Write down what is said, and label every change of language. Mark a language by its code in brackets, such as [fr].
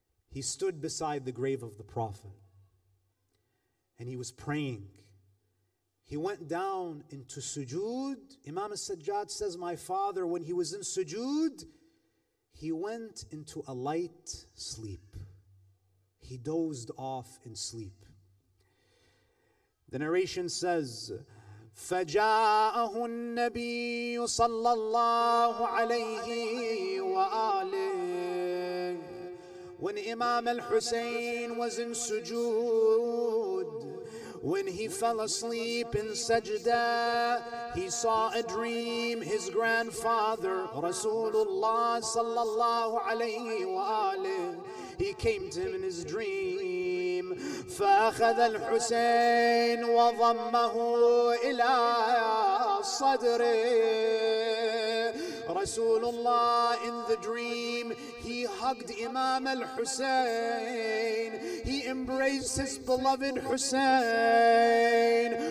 [en] He stood beside the grave of the Prophet and he was praying. He went down into sujood. Imam al-Sajjad says, my father, when he was in sujood, he went into a light sleep. He dozed off in sleep. The narration says, [ar] فجاءه النبي صلى الله عليه وآله. [en] When Imam al-Hussein was in sujood, when he fell asleep in sajda, he saw a dream, his grandfather Rasulullah صلى الله عليه وآله. He came to him in his dream. [ar] فأخذ الحسين وضمه إلى صدره. [en] رسول الله, in the dream, he hugged Imam al-Hussein. He embraced his beloved Hussein.